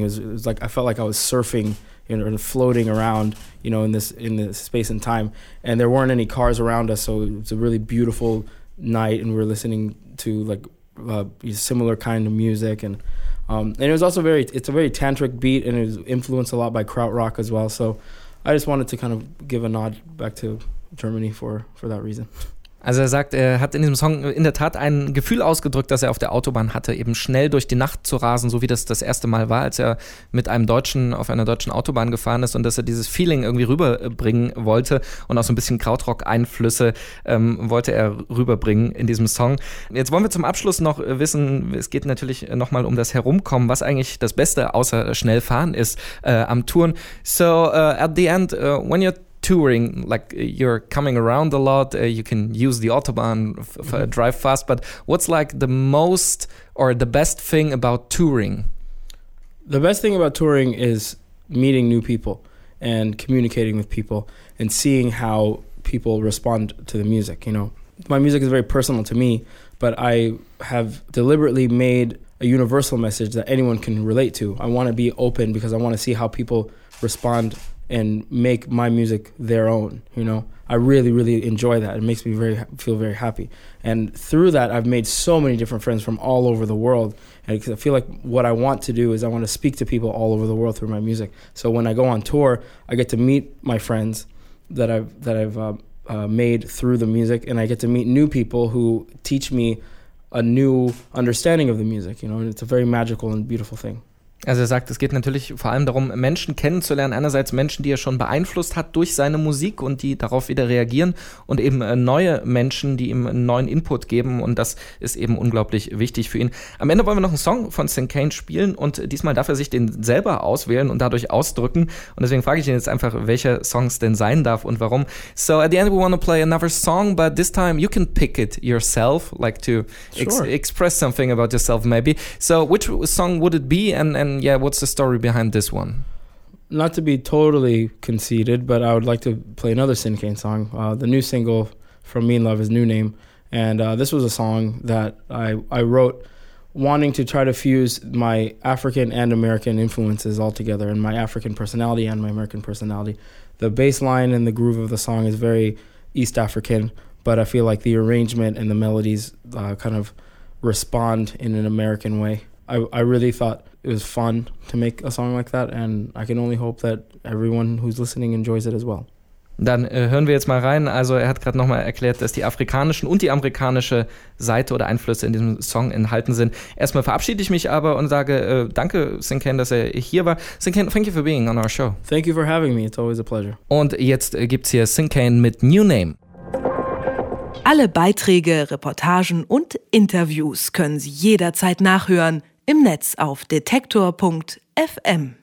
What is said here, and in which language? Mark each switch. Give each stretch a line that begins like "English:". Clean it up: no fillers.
English: It was like I felt like I was surfing, you know, and floating around, you know, in this space and time, and there weren't any cars around us, so it was a really beautiful night, and we were listening to like similar kind of music, and it was also it's a very tantric beat, and it was influenced a lot by krautrock as well. So I just wanted to kind of give a nod back to Germany for that reason.
German: Also er sagt, er hat in diesem Song in der Tat ein Gefühl ausgedrückt, das er auf der Autobahn hatte, eben schnell durch die Nacht zu rasen, so wie das das erste Mal war, als er mit einem Deutschen auf einer deutschen Autobahn gefahren ist, und dass er dieses Feeling irgendwie rüberbringen wollte und auch so ein bisschen Krautrock-Einflüsse wollte er rüberbringen in diesem Song. Jetzt wollen wir zum Abschluss noch wissen, es geht natürlich nochmal um das Herumkommen, was eigentlich das Beste außer Schnellfahren ist am Touren.
English: So at the end, when you're touring, like you're coming around a lot, you can use the Autobahn, drive fast, but what's like the most or the best thing about touring? The best thing about touring is meeting new people and communicating with people and seeing how people respond to the music. You know, my music is very personal to me, but I have deliberately made a universal message that anyone can relate to. I want to be open because I want to see how people respond and make my music their own, you know? I really, really enjoy that. It makes me feel very happy. And through that, I've made so many different friends from all over the world. And I feel like what I want to do is I want to speak to people all over the world through my music. So when I go on tour, I get to meet my friends that I've made through the music, and I get to meet new people who teach me a new understanding of the music, you know, and it's a very magical and beautiful thing.
German: Also er sagt, es geht natürlich vor allem darum, Menschen kennenzulernen. Einerseits Menschen, die er schon beeinflusst hat durch seine Musik und die darauf wieder reagieren, und eben neue Menschen, die ihm einen neuen Input geben, und das ist eben unglaublich wichtig für ihn. Am Ende wollen wir noch einen Song von St. Kane spielen, und diesmal darf er sich den selber auswählen und dadurch ausdrücken, und deswegen frage ich ihn jetzt einfach, welcher Song es denn sein darf und warum.
English: So at the end we want to play another song, but this time you can pick it yourself, like to express something about yourself maybe. So which song would it be, and yeah, what's the story behind this one? Not to be totally conceited, but I would like to play another St. Kane song. The new single from Mean Love is New Name. And this was a song that I wrote wanting to try to fuse my African and American influences all together, and my African personality and my American personality. The bass line and the groove of the song is very East African, but I feel like the arrangement and the melodies kind of respond in an American way. I really thought it was fun to make a song like that, and I can only hope that everyone who's listening enjoys it as well.
German: Dann hören wir jetzt mal rein. Also er hat gerade nochmal erklärt, dass die afrikanischen und die amerikanische Seite oder Einflüsse in diesem Song enthalten sind. Erstmal verabschiede ich mich aber und sage danke, St. Kane, dass er hier war. St.
English: Kane, thank you for being on our show. Thank you for having me. It's always a pleasure.
German: Und jetzt gibt's hier St. Kane mit New Name. Alle Beiträge, Reportagen und Interviews können Sie jederzeit nachhören. Im Netz auf detektor.fm.